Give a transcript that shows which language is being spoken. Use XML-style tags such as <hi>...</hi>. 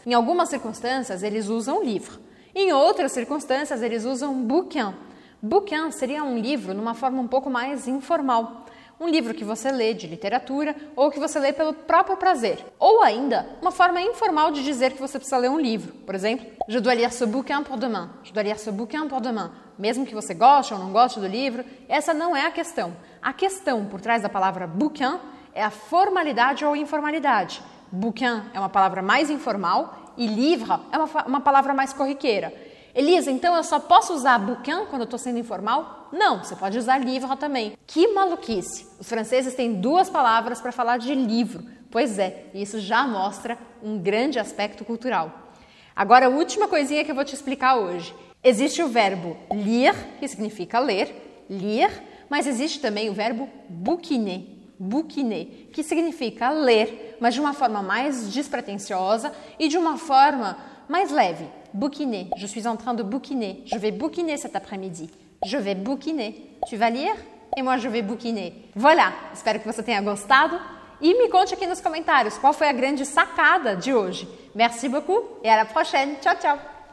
<pt>Em algumas circunstâncias, eles usam livre. Em outras circunstâncias, eles usam bouquin. Bouquin seria um livro numa forma um pouco mais informal. Um livro que você lê de literatura ou que você lê pelo próprio prazer. Ou ainda, uma forma informal de dizer que você precisa ler um livro. Por exemplo,</pt> <fr>Je dois lire ce bouquin pour demain. Je dois lire ce bouquin pour demain.</fr> <pt>Mesmo que você goste ou não goste do livro, essa não é a questão. A questão por trás da palavra bouquin é a formalidade ou a informalidade. Bouquin é uma palavra mais informal e livre é uma palavra mais corriqueira. Elisa, então eu só posso usar bouquin quando eu estou sendo informal? Não, você pode usar livre também. Que maluquice! Os franceses têm duas palavras para falar de livro. Pois é, isso já mostra um grande aspecto cultural. Agora, a última coisinha que eu vou te explicar hoje. Existe o verbo lire, que significa ler, lire, mas existe também o verbo bouquiner. Bouquiner, que significa ler, mas de uma forma mais despretensiosa e de uma forma mais leve.</pt> <fr>Bouquiner, je suis en train de bouquiner, je vais bouquiner cet après-midi. Je vais bouquiner. Tu vas lire? Et moi, je vais bouquiner. Voilà!</fr> <pt>Espero que você tenha gostado. E me conte aqui nos comentários qual foi a grande sacada de hoje.</pt> <fr>Merci beaucoup et à la prochaine.</fr> <pt>Tchau, tchau!</pt>